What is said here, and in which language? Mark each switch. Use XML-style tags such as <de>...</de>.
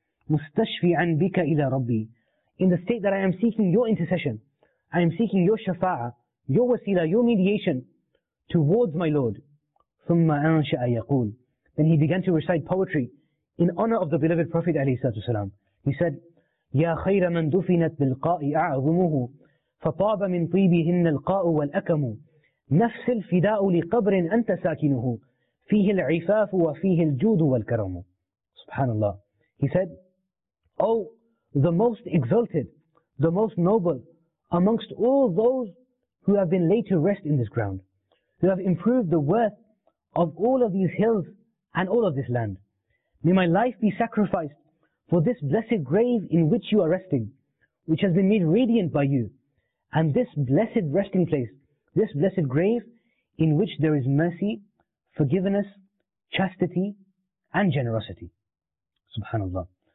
<ar>مستشفياً بك إلى ربي.</ar> <en>In the state that I am seeking your intercession, I am seeking your shafa'ah, your wasila, your mediation towards my Lord.</en> <ar>ثم أنشأ يقول.</ar> <en>Then he began to recite poetry in honor of the beloved Prophet</en> <ar>عليه الصلاة والسلام.</ar> <en>He said,</en> <ar>يا خير من دفنت بالقاء أعظمه فطاب من طيبهن القاء والأكم نفس الفداء لقبر أنت ساكنه فيه العفاف وفيه الجود والكرم. Subhanallah.</ar> <en>He said, oh, the most exalted, the most noble amongst all those who have been laid to rest in this ground, who have improved the worth of all of these hills and all of this land. May my life be sacrificed for this blessed grave in which you are resting, which has been made radiant by you, and this blessed resting place, this blessed grave in which there is mercy, forgiveness, chastity, and generosity. Subhanallah.</en>